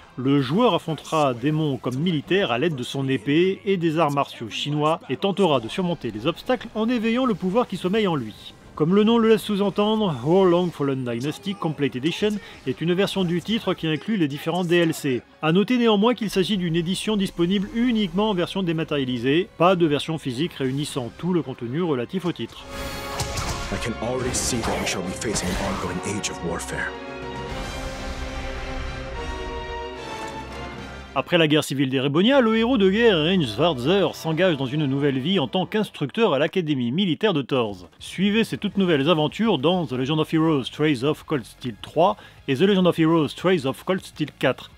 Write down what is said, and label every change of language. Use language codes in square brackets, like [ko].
[fr] Le joueur affrontera démons comme militaire à l'aide de son épée et des arts martiaux chinois et tentera de surmonter les obstacles en éveillant le pouvoir qui sommeille en lui. Comme le nom le laisse sous-entendre, Heolong Fallen Dynasty Complete Edition est une version du titre qui inclut les différents DLC. A noter néanmoins qu'il s'agit d'une édition disponible uniquement en version dématérialisée, pas de version physique réunissant tout le contenu relatif au titre. [en] I can already see that we shall be facing an ongoing age of warfare. [fr] Après la guerre civile d'Erebonia, le héros de guerre, Reinge Schwarzer, s'engage dans une nouvelle vie en tant qu'instructeur à l'Académie militaire de Torz. Suivez ses toutes nouvelles aventures dans The Legend of Heroes Trails of Cold Steel 3 et The Legend of Heroes Trails of Cold Steel 4.